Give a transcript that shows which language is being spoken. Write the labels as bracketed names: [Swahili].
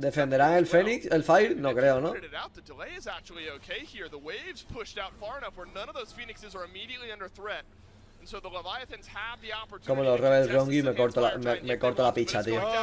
[Spanish] defenderán el Fenix, el Fire, no creo, ¿no? [English] The delay is actually okay here. The waves pushed out far enough where none of those Phoenixes are immediately under threat. And so the Leviathans have the opportunity. [Spanish] Como los Rebel Wrongy me corto la picha, tío.